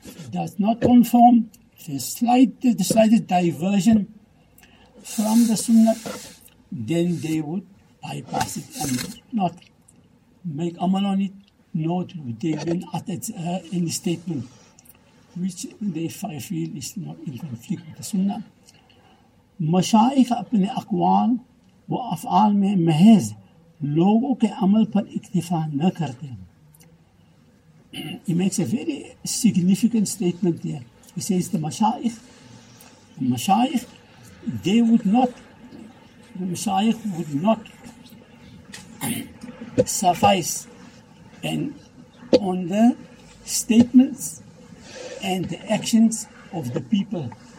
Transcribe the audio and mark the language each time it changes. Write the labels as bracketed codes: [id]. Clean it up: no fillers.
[en] Does not conform, the slightest diversion from the Sunnah, then they would bypass it and not make amal on it, nor do they even utter any statement which they feel is not in conflict with the Sunnah. [ur] مشائخ اپنے اقوال و افعال میں محض لوگوں کے عمل پر اکتفا نہ کرتے. [en] He makes a very significant statement there. He says the mashayikh would not suffice and on the statements and the actions of the people.